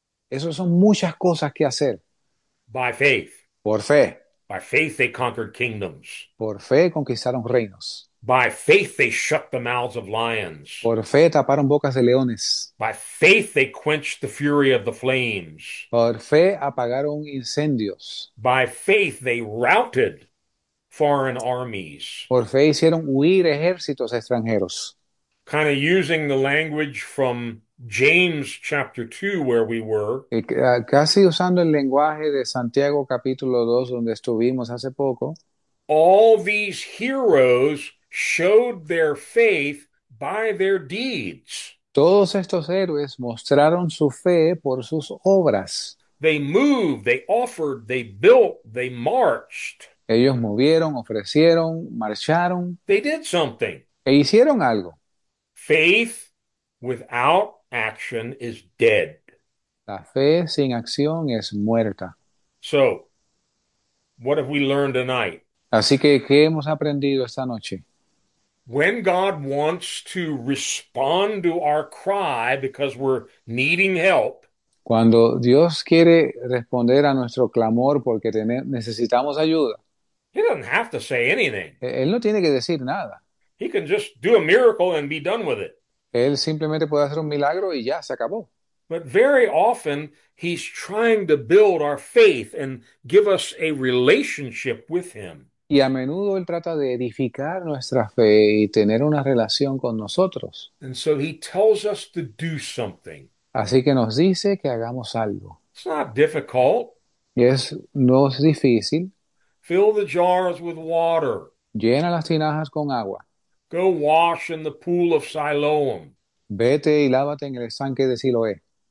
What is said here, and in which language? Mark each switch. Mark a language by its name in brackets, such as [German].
[Spanish] Eso son muchas cosas que hacer. [English] by faith. [Spanish] Por fe. [English] By faith, they conquered kingdoms. [Spanish] Por fe conquistaron reinos. [English] By faith, they shut the mouths of lions. [Spanish] Por fe taparon bocas de leones. [English] By faith, they quenched the fury of the flames. [Spanish] Por fe apagaron incendios. [English] By faith, they routed foreign armies. [Spanish] Por fe hicieron huir ejércitos extranjeros. [English] Kind of using the language from James chapter 2, where we were. [Spanish] Y, casi usando el lenguaje de Santiago capítulo 2, donde estuvimos hace poco. [English] All these heroes showed their faith by their deeds. [Spanish] Todos estos héroes mostraron su fe por sus obras. [English] They moved, they offered, they built, they marched. [Spanish] Ellos movieron, ofrecieron, marcharon [English] They did something. [Spanish] e hicieron algo. [English] Faith without action is dead. [Spanish] La fe sin acción es muerta. [English] So, what have we learned tonight? [Spanish] Así que, ¿qué hemos aprendido esta noche? [English] When God wants to respond to our cry because we're needing help, [Spanish] Cuando Dios quiere responder a nuestro clamor porque necesitamos ayuda, [English] He doesn't have to say anything. [Spanish] Él no tiene que decir nada. [English] He can just do a miracle and be done with it. [Spanish] Él simplemente puede hacer un milagro y ya se acabó. [English] But very often, He's trying to build our faith and give us a relationship with Him. [Spanish] Y a menudo Él trata de edificar nuestra fe y tener una relación con nosotros. [English] And so he tells us to do something. [Spanish] Así que nos dice que hagamos algo. [English] It's not difficult. [Spanish] Y no es difícil. [English] Fill the jars with water. [Spanish] Llena las tinajas con agua. [English] Go wash in the pool of Siloam. [Spanish] Vete y lávate en el estanque de Siloé.